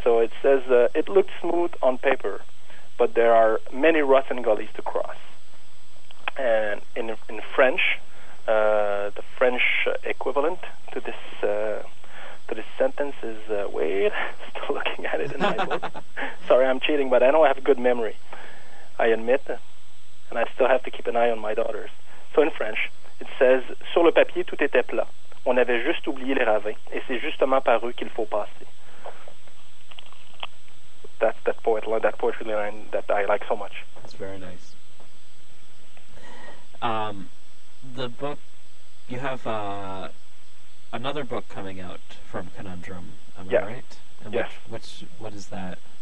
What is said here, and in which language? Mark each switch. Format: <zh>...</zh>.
<en>So it says, it looks smooth on paper, but there are many ruts and gullies to cross. And in French... the French equivalent to this sentence is wait, still looking at it in my book. Sorry, I'm cheating, but I don't have a good memory. I admit, and I still have to keep an eye on my daughters. So in French, it says,</en> <fr>sur le papier tout était plat. On avait juste oublié les ravins, et c'est justement par eux qu'il faut passer.</fr> <en>That poetry line that I like so much. That's very nice. The book, you have another book coming out from Conundrum, am I right? And yes. What is that?</en>